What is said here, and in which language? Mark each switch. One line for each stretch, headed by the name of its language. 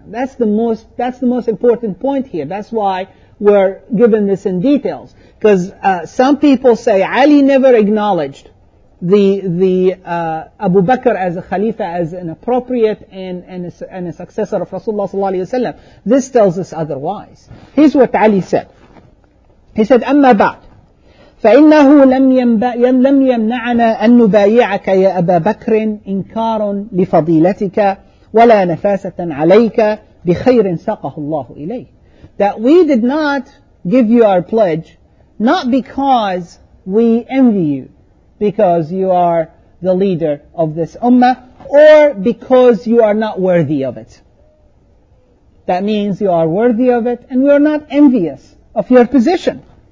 English: That's the most important point here. That's why we're given this in details. Because some people say Ali never acknowledged the Abu Bakr as a Khalifa, as an appropriate and a successor of Rasulullah sallallahu alaihi wasallam. This tells us otherwise. Here's what Ali said. He said,
Arabic: "Amma ba'd, فإنه لم يمنعنا أن نبايعك يا أبا بكر إنكار لفضيلتك ولا نفاسة عليك بخير ساقه الله إليه."
English: That we did not give you our pledge, not because we envy you, because you are the leader of this ummah, or because you are not worthy of it. That means you are worthy of it, and we are not envious of your position.